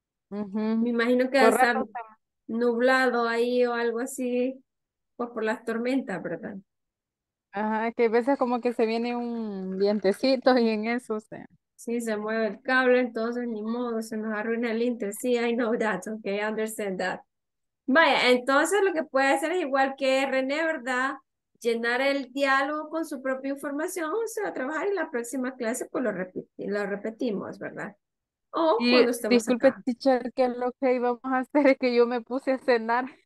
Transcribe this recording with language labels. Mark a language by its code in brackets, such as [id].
[es] Uh-huh. Me imagino que va a estar nublado ahí o algo así, pues por las tormentas, ¿verdad? Ajá, que a veces como que se viene un vientecito y en eso, o sea. Sí, se mueve el cable, entonces ni modo, se nos arruina el inter. [en] Sí, I know that, okay, I understand that. [es] Vaya, entonces lo que puede hacer es igual que René, ¿verdad? Llenar el diálogo con su propia información, o sea, trabajar en la próxima clase, pues lo repetimos, ¿verdad? O y, cuando estemos acá. Disculpe, teacher, que lo que íbamos a hacer es que yo me puse a cenar.